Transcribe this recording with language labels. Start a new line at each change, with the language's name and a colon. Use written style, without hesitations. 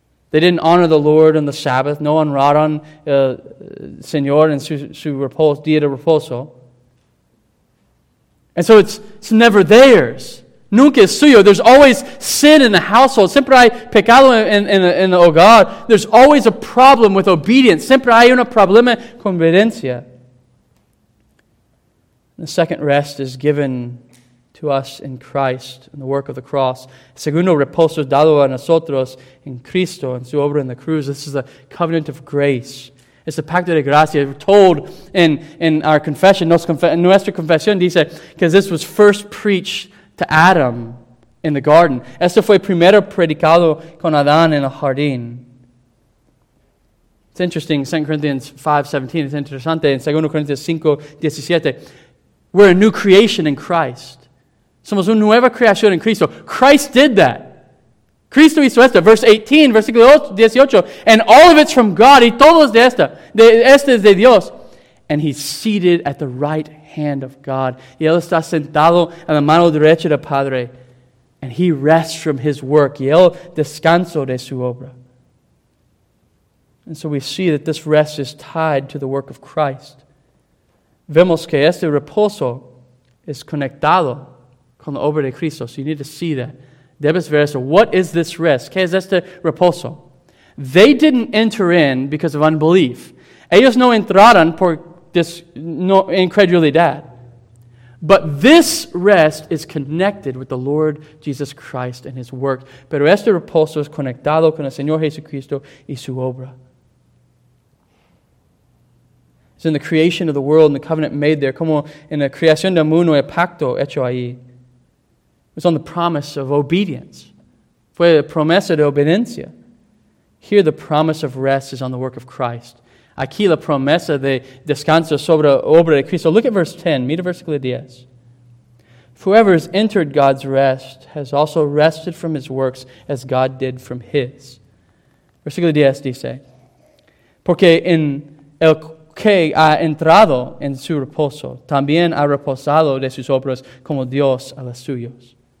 English: They didn't honor the Lord on the Sabbath.
Spanish: No honraron el Señor en su día de reposo.
English: And so it's never theirs.
Spanish: Nunca es suyo.
English: There's always sin in the household.
Spanish: Siempre hay pecado en el hogar.
English: There's always a problem with obedience.
Spanish: Siempre hay un problema con obediencia.
English: The second rest is given to us in Christ, in the work of the cross.
Spanish: Segundo reposo dado a nosotros en Cristo, en su obra en la cruz.
English: This is the covenant of grace. It's the
Spanish: pacto de gracia.
English: We're told in our confession,
Spanish: nuestra confesión dice,
English: because this was first preached to Adam in the garden.
Spanish: Esto fue primero predicado con Adán en el jardín.
English: It's interesting, 2 Corinthians 5:17, it's interesante, in 2 Corinthians 5:17, we're a new creation in Christ.
Spanish: Somos una nueva creación en Cristo.
English: Christ did that.
Spanish: Cristo hizo esto.
English: Verse 18,
Spanish: versículo 18.
English: And all of it's from God.
Spanish: Y todo es de esta. Este es de Dios.
English: And he's seated at the right hand of God.
Spanish: Y él está sentado en la mano derecha del Padre.
English: And he rests from his work.
Spanish: Y él descansa de su obra.
English: And so we see that this rest is tied to the work of Christ.
Spanish: Vemos que este reposo es conectado con la obra de Cristo.
English: So you need to see that.
Spanish: Debes ver eso.
English: What is this rest?
Spanish: ¿Qué es este reposo?
English: They didn't enter in because of unbelief.
Spanish: Ellos no entraron por incredulidad.
English: But this rest is connected with the Lord Jesus Christ and His work.
Spanish: Pero este reposo es conectado con el Señor Jesucristo y su obra.
English: It's in the creation of the world and the covenant made there.
Spanish: Como en la creación del mundo el pacto hecho ahí.
English: It's on the promise of obedience.
Spanish: Fue la promesa de obediencia.
English: Here the promise of rest is on the work of Christ.
Spanish: Aquí la promesa de descanso sobre obra de Cristo.
English: Look at verse 10.
Spanish: Mira versículo 10.
English: Whoever has entered God's rest has also rested from his works as God did from his.
Spanish: Versículo 10 dice, porque en el que ha entrado en su reposo, también ha reposado de sus obras como Dios a las suyas.